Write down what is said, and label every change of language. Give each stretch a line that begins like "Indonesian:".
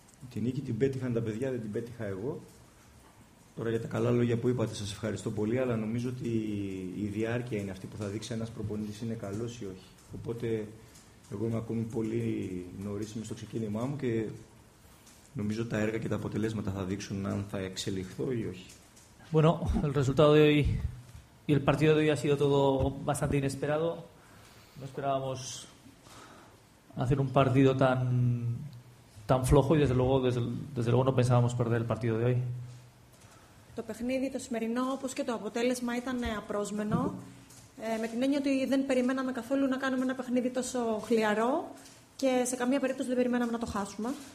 Greek: Την νίκη την πέτυχαν τα παιδιά, δεν την πέτυχα εγώ. Τώρα για τα καλά λόγια που είπατε σας ευχαριστώ πολύ, αλλά νομίζω ότι η διάρκεια είναι αυτή που θα δείξει ένας προπονητής είναι καλός ή όχι. Οπότε εγώ είμαι ακόμη πολύ νωρίς στο ξεκίνημά μου και νομίζω τα έργα και τα αποτελέσματα θα δείξουν αν θα εξελιχθώ ή όχι.
Spanish: Bueno, el resultado de hoy y el partido de hoy ha sido todo bastante inesperado. No esperábamos hacer un partido tan flojo y desde luego no pensábamos perder el partido de hoy.
Greek: Το παιχνίδι το σημερινό, όπως και το αποτέλεσμα, ήταν απρόσμενο. Με την έννοια ότι δεν περιμέναμε καθόλου να κάνουμε ένα παιχνίδι τόσο χλιαρό και σε καμία περίπτωση δεν περιμέναμε να το χάσουμε.